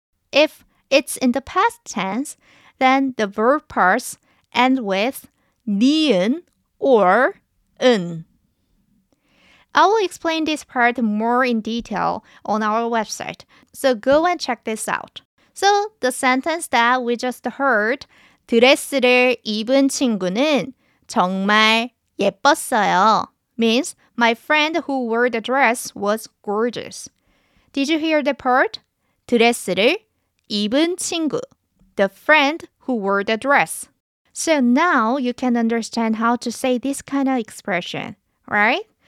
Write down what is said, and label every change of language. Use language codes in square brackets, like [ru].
[en] If it's in the past tense, then the verb parts end with 니은 or 은. I will explain this part more in detail on our website, so go and check this out. So, the sentence that we just heard, [ko] 드레스를 입은 친구는 정말 예뻤어요, [en] means my friend who wore the dress was gorgeous. Did you hear the part? [ko] 드레스를 입은 친구, [en] the friend who wore the dress. So now you can understand how to say this kind of expression, right?